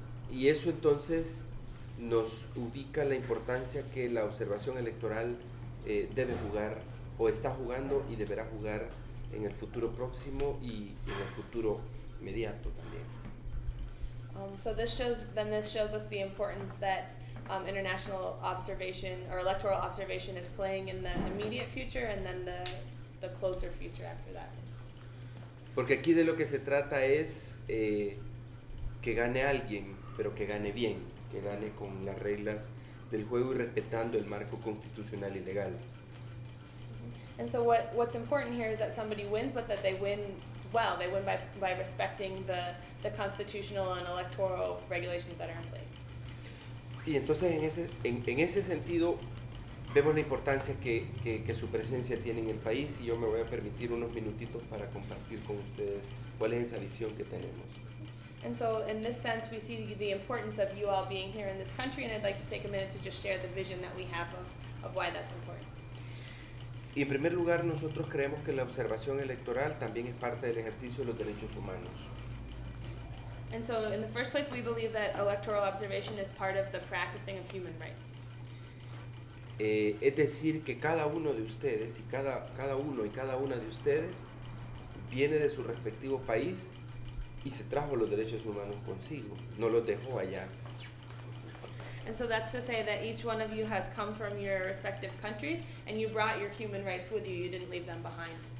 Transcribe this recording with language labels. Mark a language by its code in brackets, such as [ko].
[es] Y eso entonces nos ubica la importancia que la observación electoral debe jugar, o está jugando y deberá jugar en el futuro próximo y en el futuro inmediato también. [en] So this shows us the importance that international observation or electoral observation is playing in the immediate future and then the closer future after that. [es] Porque aquí de lo que se trata es que gane alguien, pero que gane bien, que gane con las reglas del juego y respetando el marco constitucional y legal. [en] And so what's important here is that somebody wins, but that they win well. They win by respecting the constitutional and electoral regulations that are in place. [es] Y entonces en ese sentido vemos la importancia que su presencia tiene en el país, y yo me voy a permitir unos minutitos para compartir con ustedes cuál es esa visión que tenemos. [en] And so in this sense we see the importance of you all being here in this country, and I'd like to take a minute to just share the vision that we have of why that's important. [es] Y en primer lugar, nosotros creemos que la observación electoral también es parte del ejercicio de los derechos humanos. [en] And so in the first place we believe that electoral observation is part of the practicing of human rights. [es] Es decir, que cada uno de ustedes y cada uno y cada una de ustedes viene de su respectivo país y se trajo los derechos humanos consigo, no los dejó allá. [en] And so that's to say that each one of you has come from your respective countries and you brought your human rights with you, you didn't leave them behind.